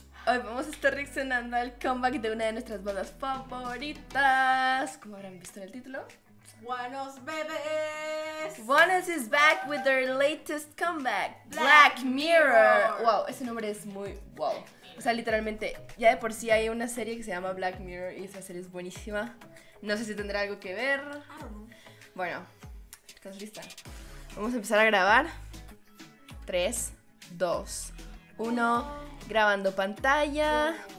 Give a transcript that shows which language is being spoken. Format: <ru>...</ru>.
<es>Hoy vamos a estar reaccionando al comeback de una de nuestras bandas favoritas. ¿Cómo habrán visto en el título? ¡Oneus, bebés!</es> <en>Oneus is back with their latest comeback, Black Mirror.</en> <es>Wow, ese nombre es muy wow. O sea, literalmente, ya de por sí hay una serie que se llama Black Mirror y esa serie es buenísima. No sé si tendrá algo que ver. Bueno, chicas, lista. Vamos a empezar a grabar. 3, 2, 1. Grabando pantalla.</es>